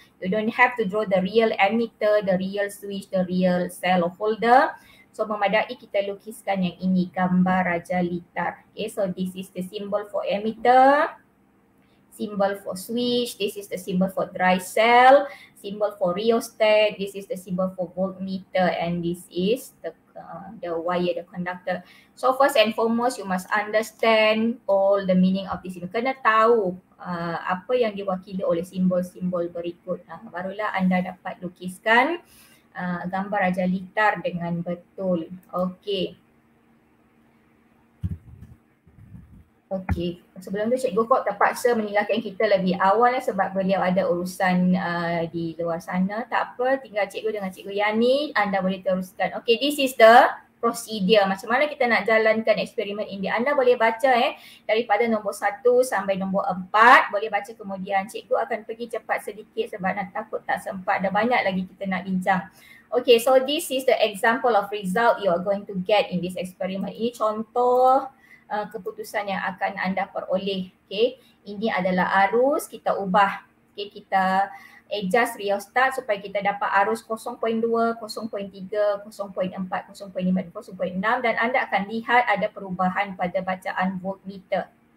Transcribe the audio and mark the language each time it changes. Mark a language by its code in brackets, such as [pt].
[en] You don't have to draw the real ammeter, the real switch, the real cell holder. [ms] So memadai kita lukiskan yang ini, gambar raja litar. [en] Okay, so this is the symbol for ammeter, symbol for switch, this is the symbol for dry cell, symbol for rheostat, this is the symbol for voltmeter, and this is the wire, the conductor. So first and foremost, you must understand all the meaning of this. [ms] Kena tahu apa yang diwakili oleh simbol-simbol berikut. Barulah anda dapat lukiskan gambar raja litar dengan betul. Okay. Okay. Sebelum tu Cikgu Kok terpaksa meninggalkan kita lebih awal sebab beliau ada urusan di luar sana. Tak apa, tinggal Cikgu dengan Cikgu Yani, anda boleh teruskan. Okay, this is the procedure. Macam mana kita nak jalankan eksperimen ini. Anda boleh baca daripada nombor 1 sampai nombor 4. Boleh baca kemudian. Cikgu akan pergi cepat sedikit sebab nak takut tak sempat. Dah banyak lagi kita nak bincang. [en] Okay, so this is the example of result you are going to get in this experiment. [ms] Ini contoh keputusan yang akan anda peroleh. Okay, ini adalah arus kita ubah. Okay, kita adjust rheostat supaya kita dapat arus 0.2, 0.3, 0.4, 0.5, 0.6, dan anda akan lihat ada perubahan pada bacaan voltmeter.